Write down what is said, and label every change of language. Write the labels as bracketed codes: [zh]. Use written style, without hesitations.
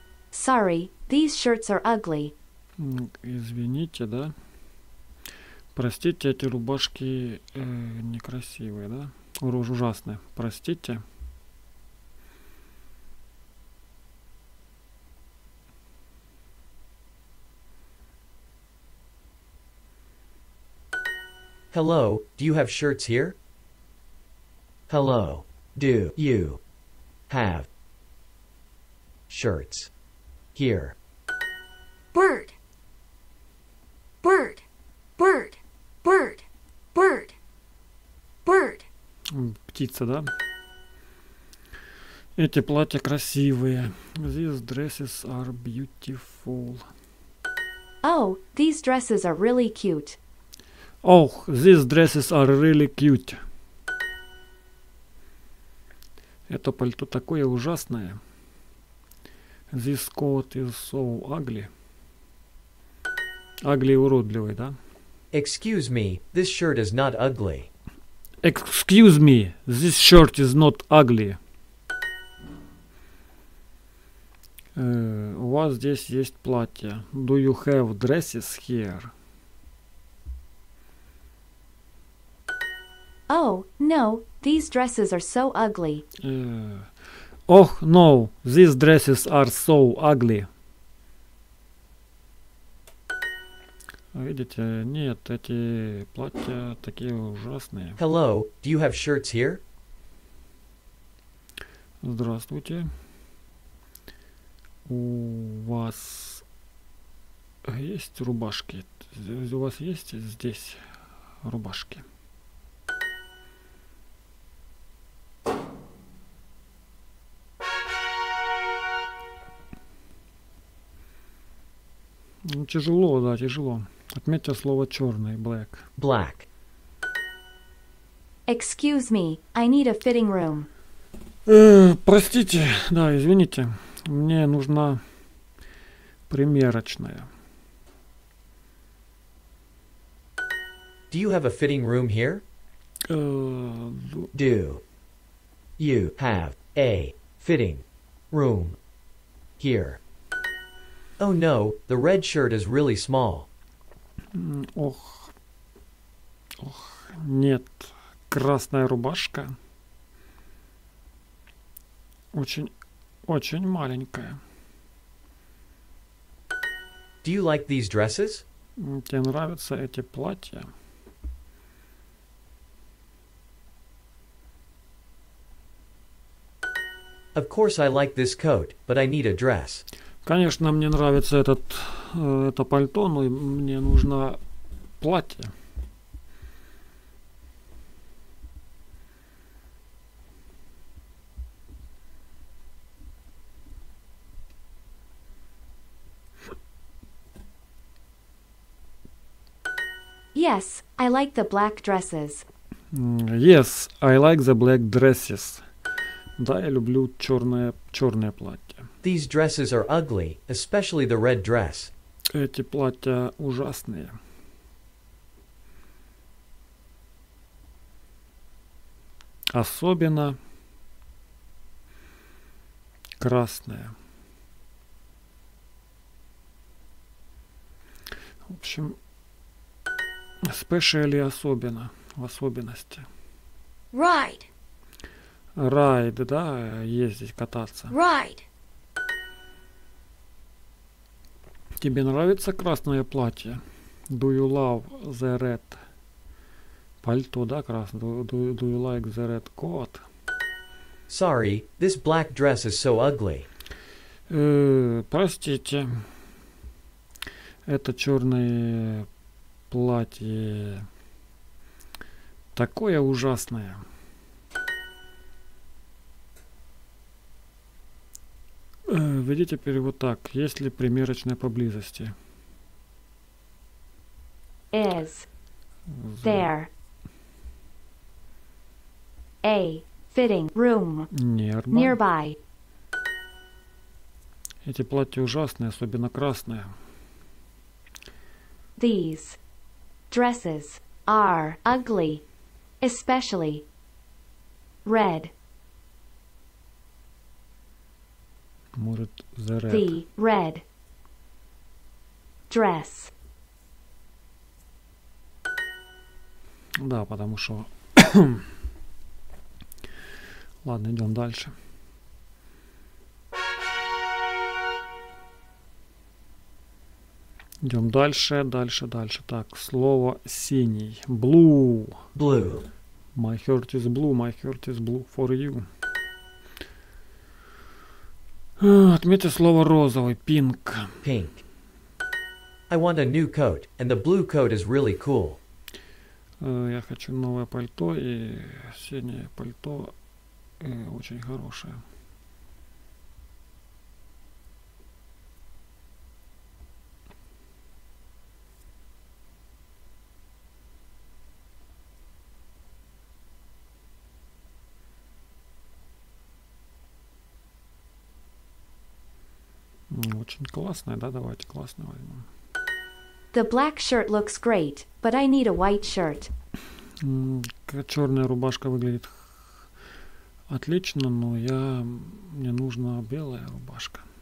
[en] Sorry, these shirts are ugly. [ru] Извините, да? Простите, эти рубашки некрасивые, да? Ужасные. Простите. [en] Hello, do you have shirts here? Hello, do you have shirts? Here. Bird. Bird. Bird. Bird. Bird. Bird. [ru] Птица, да? Эти платья красивые. [en] These dresses are beautiful. Oh, these dresses are really cute. Oh, these dresses are really cute. [ru] Это пальто такое ужасное. [en] This coat is so ugly. [ru] Ugly, уродливый, да? [en] Excuse me, this shirt is not ugly. Excuse me, this shirt is not ugly. [ru] У вас здесь есть платье. [en] Do you have dresses here? Oh, no, these dresses are so ugly. Oh, no, these dresses are so ugly. [ru] Видите, нет, эти платья такие ужасные. [en] Hello, do you have shirts here? [ru] Здравствуйте. У вас есть рубашки? У вас есть здесь рубашки? Ну, тяжело, да, тяжело. Отметьте слово черный, black. [en] Black. Excuse me, I need a fitting room. [ru] Простите, да, извините. Мне нужна примерочная. [en] Do you have a fitting room here? Do you have a fitting room here? Oh no, the red shirt is really small. [ru] Ох. Ох, нет. Красная рубашка очень, очень маленькая. [en] Do you like these dresses? [ru] Тебе нравятся эти платья? [en] Of course I like this coat, but I need a dress. [ru] Конечно, мне нравится этот, это пальто, но мне нужно платье. [en] Yes, I like the black dresses. Yes, I like the black dresses. [ru] Да, я люблю черное, черное платье. [en] These dresses are ugly, especially the red dress. [ru] Эти платья ужасные. Особенно красное. В общем, especially особенно, в особенности. [en] Ride. [ru] Ride, да, ездить, кататься. [en] Ride. [ru] Тебе нравится красное платье? [en] Do you love the red? [ru] Пальто, да, красное? [en] Do you like the red coat? Sorry, this black dress is so ugly. [ru] Простите. Это черное платье такое ужасное. Введите теперь вот так. Есть ли примерочная поблизости? [en] Is there a fitting room nearby? [ru] Эти платья ужасные, особенно красные. [en] These dresses are ugly, especially red. [ru] Может, [en] the red. The red dress. [ru] Да, потому что... Ладно, идем дальше. Идем дальше, дальше, дальше. Так, слово синий. Blue. [en] Blue. My heart is blue, my heart is blue for you. [ru] Отметьте слово розовый, pink. [en] Pink. I want a new coat, and the blue coat is really cool. [ru] Я хочу новое пальто, и синее пальто очень хорошее. Очень классная, да, давайте классную возьмем. [en] The black shirt looks great, but I need a white shirt. [ru] Черная рубашка выглядит отлично, но мне нужна белая рубашка.